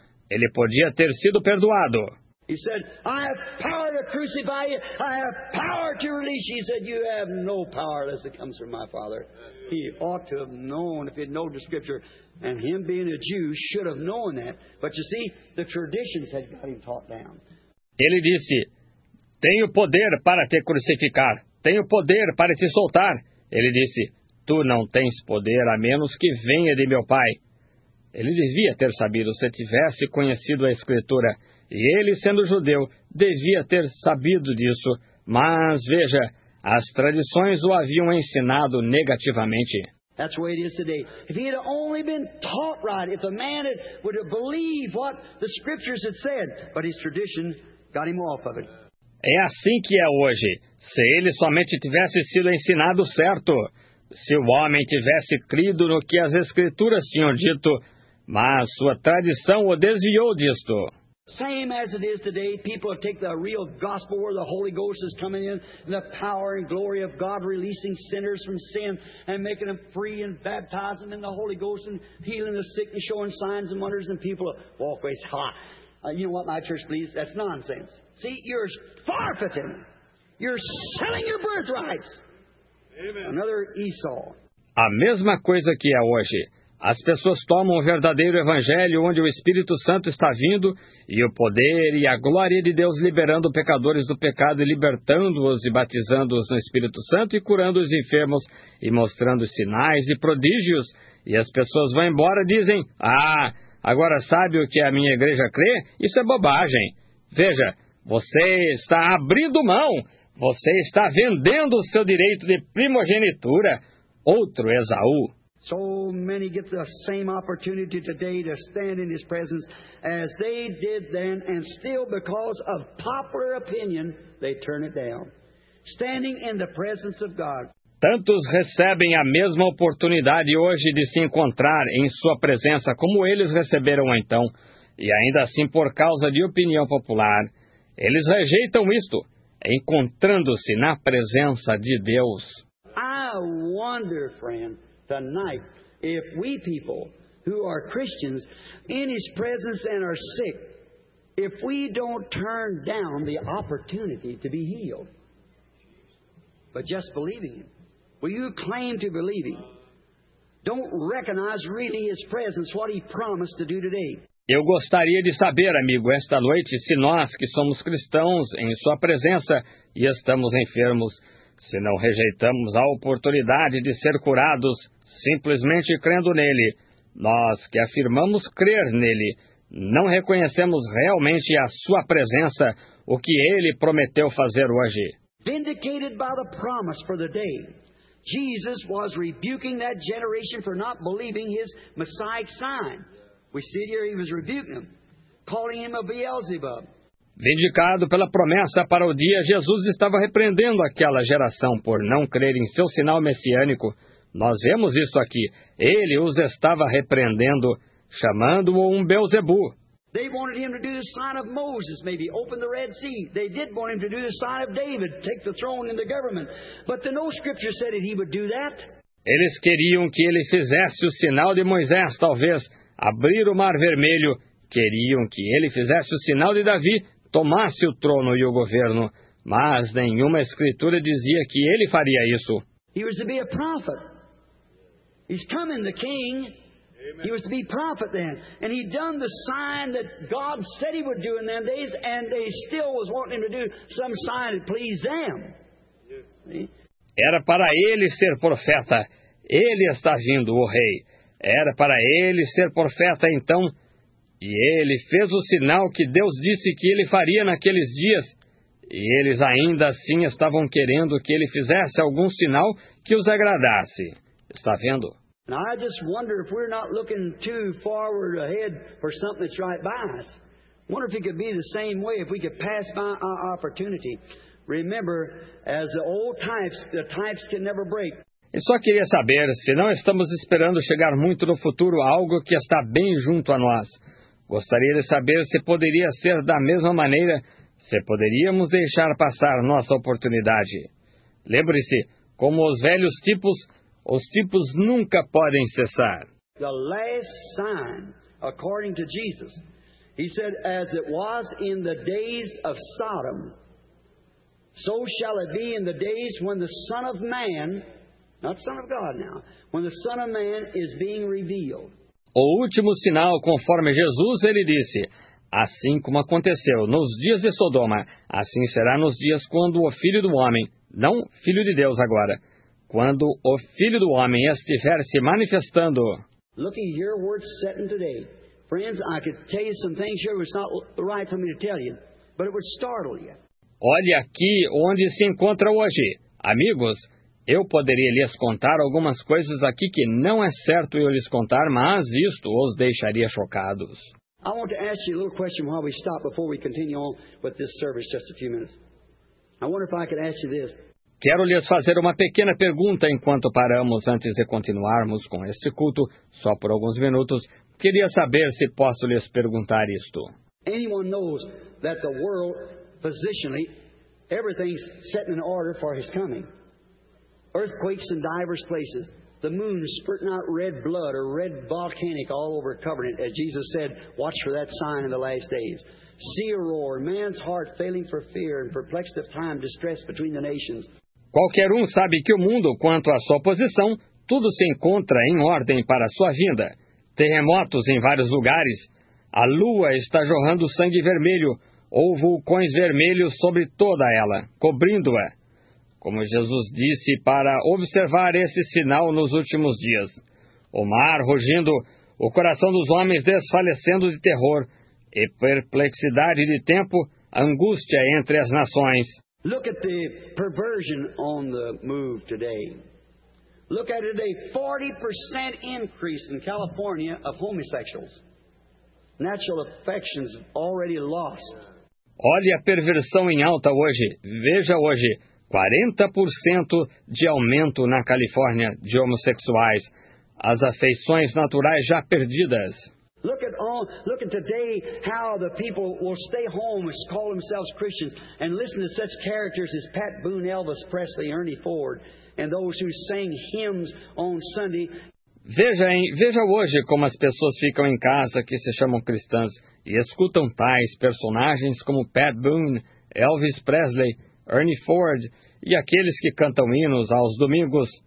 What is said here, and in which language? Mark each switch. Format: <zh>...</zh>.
<pt>Ele podia ter sido perdoado.</pt> <en>He said, I have power to crucify you. I have power to release you. He said, you have no power unless it comes from my Father. He ought to have known if he'd known the scripture. And him being a Jew should have known that. But you see, the traditions had got him taught down.</en> <pt>Ele disse, tenho poder para te crucificar. Tenho poder para te soltar. Ele disse, tu não tens poder a menos que venha de meu Pai. Ele devia ter sabido se tivesse conhecido a Escritura. E ele, sendo judeu, devia ter sabido disso. Mas, veja, as tradições o haviam ensinado negativamente.</pt> <en>That's the way it is today. If he had only been taught right, if a man would have believed what the scriptures had said, but his tradition got him off of it.</en> <pt>É assim que é hoje. Se ele somente tivesse sido ensinado certo, se o homem tivesse crido no que as escrituras tinham dito, mas sua tradição o desviou disto.</pt> <en>Same as it is today, people take the real gospel where the Holy Ghost is coming in, and the power and glory of God releasing sinners from sin and making them free and baptizing them in the Holy Ghost and healing the sick and showing signs and wonders, and people walk away. Ha! You know what, my church, please? That's nonsense. See, you're forfeiting. You're selling your birthrights. Amen. Another Esau.</en> <pt>A mesma coisa que é hoje. As pessoas tomam o verdadeiro evangelho onde o Espírito Santo está vindo e o poder e a glória de Deus liberando pecadores do pecado e libertando-os e batizando-os no Espírito Santo e curando os enfermos e mostrando sinais e prodígios. E as pessoas vão embora e dizem, ah, agora sabe o que a minha igreja crê? Isso é bobagem. Veja, você está abrindo mão. Você está vendendo o seu direito de primogenitura. Outro Esaú.</pt> <en>So many get the same opportunity today to stand in his presence as they did then, and still because of popular opinion, they turn it down. Standing in the presence of God.</en> <pt>Tantos recebem a mesma oportunidade hoje de se encontrar em sua presença como eles receberam então, e ainda assim por causa de opinião popular, eles rejeitam isto, encontrando-se na presença de Deus.</pt> <en>I wonder, friend, tonight, if we people who are Christians in His presence and are sick, if we don't turn down the opportunity to be healed, but just believing Him, will you claim to believe Him? Don't recognize really His presence, what He promised to do today.</en> <pt>Eu gostaria de saber, amigo, esta noite, se nós que somos cristãos em Sua presença e estamos enfermos, se não rejeitamos a oportunidade de ser curados simplesmente crendo nele, nós que afirmamos crer nele, não reconhecemos realmente a Sua presença, o que Ele prometeu fazer hoje.</pt> <en>Vindicated by the promise for the day, Jesus was rebuking that generation for not believing His Messiah sign. We see here He was rebuking them, calling Him a Beelzebub.</en> <pt>Vindicado pela promessa para o dia, Jesus estava repreendendo aquela geração por não crer em seu sinal messiânico. Nós vemos isso aqui. Ele os estava repreendendo, chamando-o um Beelzebu.</pt> <en>They wanted Him to do the sign of Moses, maybe open the Red Sea. They did want Him to do the sign of David, take the throne in the government. But no scripture said that He would do that.</en> <pt>Eles queriam que Ele fizesse o sinal de Moisés, talvez abrir o Mar Vermelho. Queriam que Ele fizesse o sinal de Davi, tomasse o trono e o governo. Mas nenhuma escritura dizia que Ele faria isso.</pt> <en>He was to be a prophet. He's coming, the king. He was to be prophet then. And he'd done the sign that God said He would do in them days, and they still was wanting Him to do some sign that pleased them.</en> <pt>Era para Ele ser profeta. Ele está vindo, o rei. Era para Ele ser profeta, então. E Ele fez o sinal que Deus disse que Ele faria naqueles dias. E eles ainda assim estavam querendo que Ele fizesse algum sinal que os agradasse. Está vendo?</pt> <en>And I just wonder if we're not looking too forward ahead for something that's right by us. I wonder if it could be the same way, if we could pass by our opportunity. Remember, as the old types, the types can never break.</en> <pt>Eu só queria saber se não estamos esperando chegar muito no futuro algo que está bem junto a nós. Gostaria de saber se poderia ser da mesma maneira, se poderíamos deixar passar nossa oportunidade. Lembre-se, como os velhos tipos, os tipos nunca podem cessar.</pt> <en>The last sign, according to Jesus, He said, as it was in the days of Sodom, so shall it be in the days when the Son of Man, not Son of God now, when the Son of Man is being revealed.</en> <pt>O último sinal, conforme Jesus, Ele disse, assim como aconteceu nos dias de Sodoma, assim será nos dias quando o Filho do Homem, não Filho de Deus agora, quando o Filho do Homem estiver se manifestando.</pt> <en>Look at your words setting today. Friends, I could tell you some things here, it's not right for me to tell you, but it would startle you.</en> <pt>Olhe aqui onde se encontra hoje. Amigos, eu poderia lhes contar algumas coisas aqui que não é certo eu lhes contar, mas isto os deixaria chocados.</pt> <en>I want to ask you a little question while we stop before we continue on with this service just a few minutes. I wonder if I could ask you this.</en> <pt>Quero lhes fazer uma pequena pergunta enquanto paramos antes de continuarmos com este culto, só por alguns minutos. Queria saber se posso lhes perguntar isto.</pt> <en>Anyone knows that the world, positionally, everything's set in order for His coming. Earthquakes in diverse places. The moon spurting out red blood or red volcanic all over covering it. As Jesus said, watch for that sign in the last days. Sea roar, man's heart failing for fear and perplexed of time, distress between the nations.</en> <pt>Qualquer um sabe que o mundo, quanto à sua posição, tudo se encontra em ordem para a sua vinda. Terremotos em vários lugares. A lua está jorrando sangue vermelho ou vulcões vermelhos sobre toda ela, cobrindo-a. Como Jesus disse, para observar esse sinal nos últimos dias. O mar rugindo, o coração dos homens desfalecendo de terror, e perplexidade de tempo, angústia entre as nações.</pt> <en>Look at the perversion on the move today. Look at today, 40% increase in California of homosexuals. Natural affections already lost.</en> <pt>Olhe a perversão em alta hoje, veja hoje. 40% de aumento na Califórnia de homossexuais. As afeições naturais já perdidas.</pt> <en>Look at today how the people will stay home and call themselves Christians and listen to such characters as Pat Boone, Elvis Presley, Ernie Ford, and those who sang hymns on Sunday.</en> <pt>Veja hoje como as pessoas ficam em casa que se chamam cristãs e escutam tais personagens como Pat Boone, Elvis Presley, Ernie Ford e aqueles que cantam hinos aos domingos.</pt>